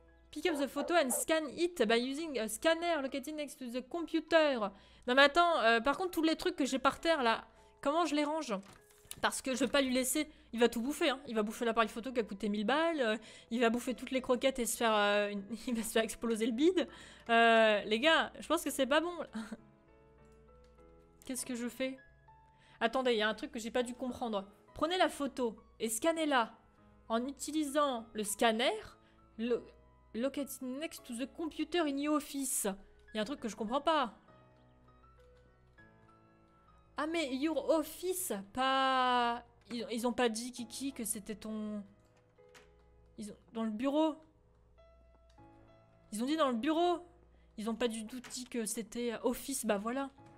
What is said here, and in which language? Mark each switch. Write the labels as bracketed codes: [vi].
[en] Pick up the photo and scan it by using a scanner located next to the computer. [fr] Non, mais attends, par contre, tous les trucs que j'ai par terre là, comment je les range? Parce que je veux pas lui laisser. Il va tout bouffer, hein. Il va bouffer l'appareil photo qui a coûté 1000 balles. Il va bouffer toutes les croquettes et se faire. Il va se faire exploser le bide. Les gars, je pense que c'est pas bon. Qu'est-ce que je fais? Attendez, il y a un truc que j'ai pas dû comprendre. Prenez la photo et scannez-la. En utilisant le scanner, [en] located next to the computer in your office. [fr] Il y a un truc que je comprends pas. Ah mais [en] your office, [fr] pas... Ils ont pas dit, Kiki, que c'était ton... Ils ont... Dans le bureau. Ils ont dit dans le bureau. Ils ont pas du tout dit que c'était office, bah voilà.